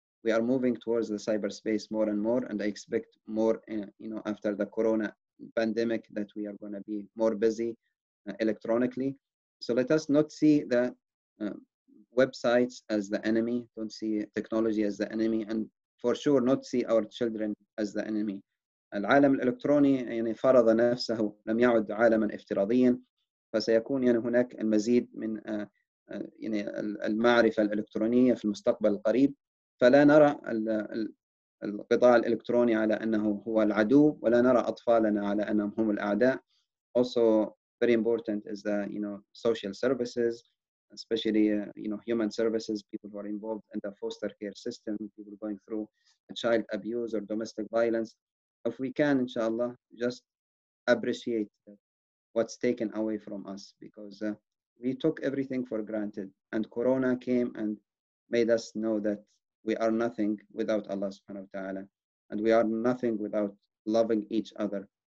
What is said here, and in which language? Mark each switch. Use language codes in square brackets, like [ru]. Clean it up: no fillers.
[en] We are moving towards the cyberspace more and more, and I expect more, after the corona pandemic, that we are going to be more busy electronically. So let us not see the websites as the enemy. Don't see technology as the enemy, and for sure not see our children as the enemy. [ar] العالم الإلكتروني يعني فرض نفسه لم يعد عالما افتراضيا فسيكون يعني هناك المزيد من يعني المعرفة الإلكترونية في المستقبل القريب فلا نرى القطاع الإلكتروني على أنه هو العدو ولا نرى أطفالنا على أنهم هم الأعداء. [en] Also very important is the social services, especially human services, people who are involved in the foster care system, people going through child abuse or domestic violence. If we can, inshallah, just appreciate what's taken away from us, because we took everything for granted, and Corona came and made us know that we are nothing without Allah subhanahu wa ta'ala, and we are nothing without loving each other.